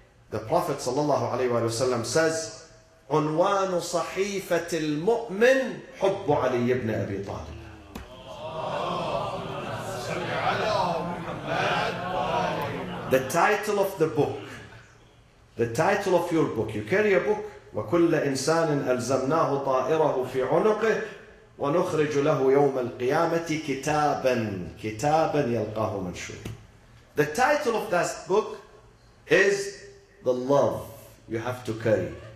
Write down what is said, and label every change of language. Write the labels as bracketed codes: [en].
[en] The Prophet [ar] sallallahu alaihi wasallam [en] says, [ar] "Unwan sahifat al-mu'min hubb Ali ibn Abi Talib." [en] The title of the book, the title of your book. You carry a book. [ar] Wa kulla insanin alzamnahu ta'irahu fi unuqih. ونخرج له يوم القيامة كتابا كتابا يلقاه منشورا. [en] The title of that book is the love you have to carry.